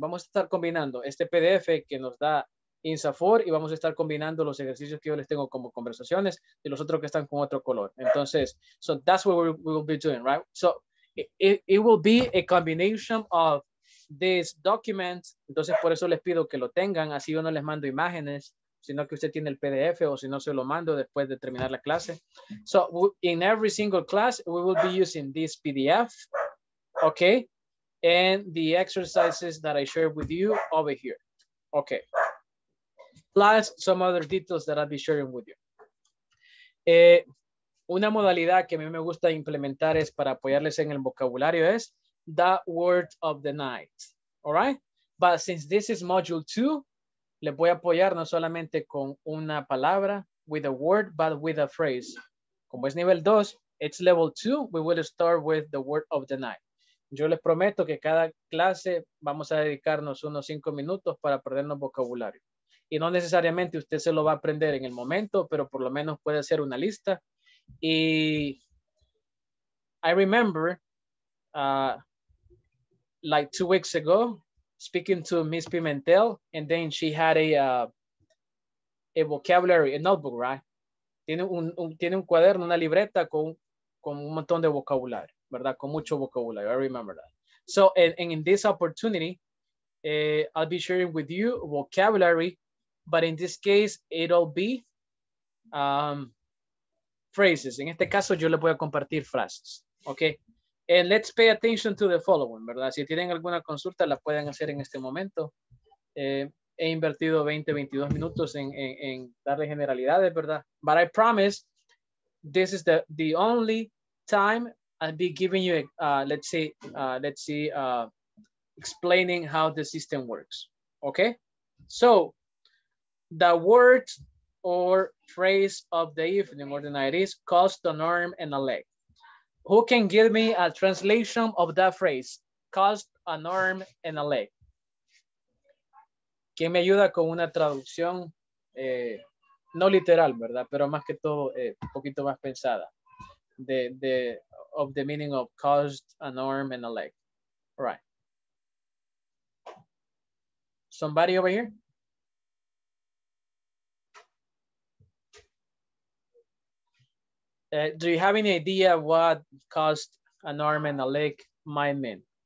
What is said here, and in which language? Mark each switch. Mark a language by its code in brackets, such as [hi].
[es] Vamos a estar combinando este PDF que nos da INSAFOR y vamos a estar combinando los ejercicios que yo les tengo como conversaciones y los otros que están con otro color. Entonces, [en] so that's what we will be doing, right? So it will be a combination of this document. [es] Entonces, por eso les pido que lo tengan. Así yo no les mando imágenes, sino que usted tiene el PDF o si no se lo mando después de terminar la clase. [en] So in every single class, we will be using this PDF, okay? And the exercises that I shared with you over here, okay? Plus some other details that I'll be sharing with you. [es] Una modalidad que a mí me gusta implementar es para apoyarles en el vocabulario es [en] that word of the night. All right? But since this is module 2, [es] les voy a apoyar no solamente con una palabra, [en] with a word, but with a phrase. [es] Como es nivel 2, [en] it's level 2, we will start with the word of the night. [es] Yo les prometo que cada clase vamos a dedicarnos unos 5 minutos para aprendernos vocabulario. Y no necesariamente usted se lo va a aprender en el momento, pero por lo menos puede hacer una lista. [en] Y I remember like 2 weeks ago speaking to Miss Pimentel and then she had a vocabulary, a notebook, right? [es] Tiene un cuaderno, una libreta con un montón de vocabulario, ¿verdad? Con mucho vocabulario. [en] I remember that. So and in this opportunity, I'll be sharing with you vocabulary. But in this case, it'll be phrases. [es] En este caso, yo le voy a compartir frases. Okay. [en] And let's pay attention to the following, [es] ¿verdad? Si tienen alguna consulta, la pueden hacer en este momento. He invertido 20, 22 minutos en darle generalidades, ¿verdad? [en] But I promise, this is the only time I'll be giving you, explaining how the system works. Okay. So, the word or phrase of the evening or the night is cost an arm and a leg. Who can give me a translation of that phrase? Cost an arm and a leg. [es] ¿Quién me ayuda con una traducción? No literal, ¿verdad? Pero más que todo, un poquito más pensada. [en] Of the meaning of cost an arm and a leg. All right. Somebody over here? Do you have any idea what cost an arm and a leg might mean?